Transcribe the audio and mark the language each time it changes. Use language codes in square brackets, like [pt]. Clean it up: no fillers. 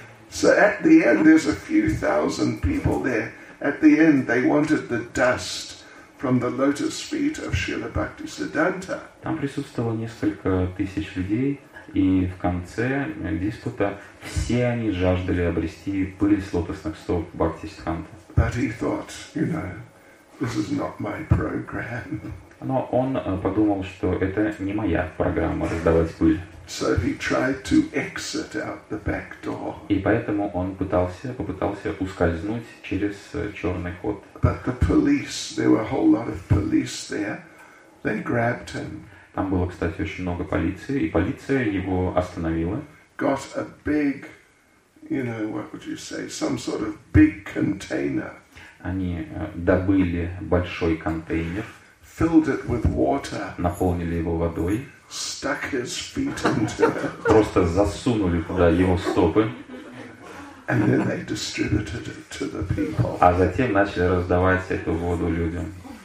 [en] So at the end, there's a few thousand people there. At the end, they wanted the dust from the lotus feet of Srila Bhakti Siddhanta. [ru] Там присутствовало несколько тысяч людей, и в конце диспута все они жаждали обрести пыль с лотосных стоп Бхакти Сиддханты. [en] But he thought, you know, this is not my program. [ru] Но он подумал, что это не моя программа раздавать пыль. [en] So he tried to exit out the back door. [ru] И поэтому он попытался ускользнуть через черный ход. [en] But the police, there were a whole lot of police there. They grabbed him. [ru] Там было, кстати, очень много полиции, и полиция его остановила. [en] Got a big, you know, what would you say, some sort of big container. [ru] Они добыли большой контейнер. [en] Filled it with water. [ru] Наполнили его водой. [en] Stuck his feet into it. [ru] Просто засунули туда его стопы. [en] And then they distributed it to the people. [ru] А затем начали раздавать эту воду людям.